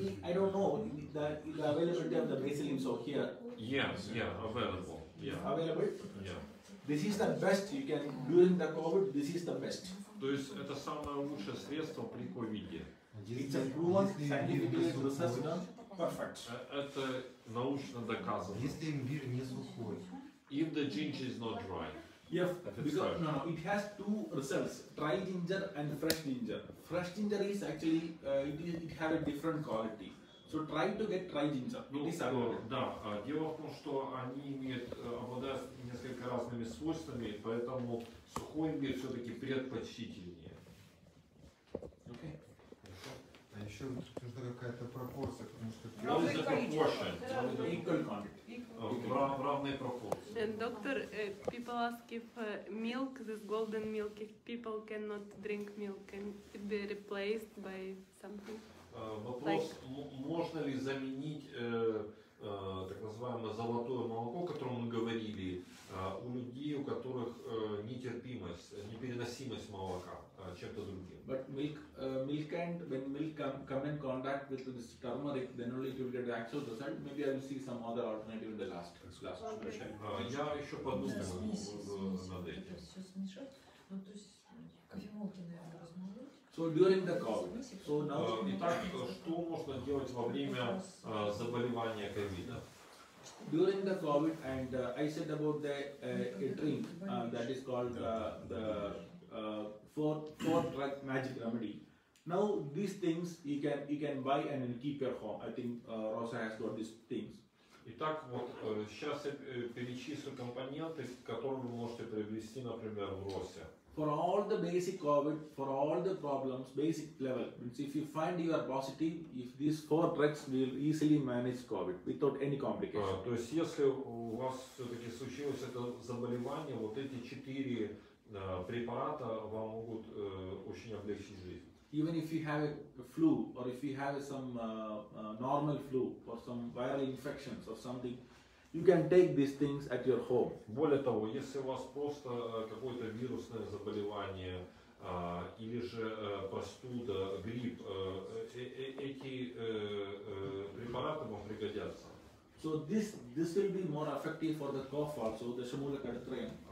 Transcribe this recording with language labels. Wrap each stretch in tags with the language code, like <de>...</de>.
<en>I don't know if the availability of the basil leaves are here. Yeah, available. Yeah. This is the best you can during the COVID. This is the best.</en> <ru>То есть это самое лучшее средство при ковиде.</ru> <en>It's a proven scientific research done. Perfect.</en> <ru>Это научно доказано. Если имбирь не сухой.</ru> <en>If the ginger is not dry. Yes, because no, it has two results, dry ginger and fresh ginger. Fresh ginger is actually, it has a different quality. So try to get dry ginger.</en> <ru>Дело в том, что они обладают несколько разными свойствами, поэтому сухой имбирь все-таки предпочтительнее.</ru> <en>Okay.</en> <ru>А еще нужна какая-то пропорция, потому что... В равной пропорции.</ru> <en>Доктор, people ask if milk, this golden milk, if people cannot drink milk, can it be replaced by something?</en> <ru>Вопрос,</ru> <en>like...</en> <ru>можно ли заменить так называемое золотое молоко, о котором мы говорили, у людей, у которых нетерпимость, непереносимость молока чем-то другим?</ru> <en>But milk can't, when milk come in contact with this turmeric, then only it will get the actual result. Maybe I will see some other alternative in the last class.</en> <ru>Okay. Я еще подумаю над этим.</ru> <en>So during the COVID. So now.</en> <ru>Итак, что можно делать во время заболевания ковида?</ru> <en>During the COVID, and I said about the a drink that is called the four drug magic remedy. Now these things you can buy and keep your home. I think Rosa has got these things.</en> <ru>Итак, вот сейчас я перечислю компоненты, которые вы можете приобрести, например, в Росе.</ru> <en>For all the basic COVID, for all the problems, basic level. Means if you find you are positive, if these four drugs will easily manage COVID without any complication.</en> <ru>То есть если у вас все-таки случилось это заболевание, вот эти четыре препарата вам могут очень облегчить жизнь.</ru> <en>Even if you have a flu or if you have some normal flu or some viral infections or something. You can take these things at your home.</en> <ru>Более того, если у вас просто какое-то вирусное заболевание или же простуда, грипп, эти препараты вам пригодятся.</ru> <en>So this will be more effective for the cough also, the Dashamula Ketotrien.</en>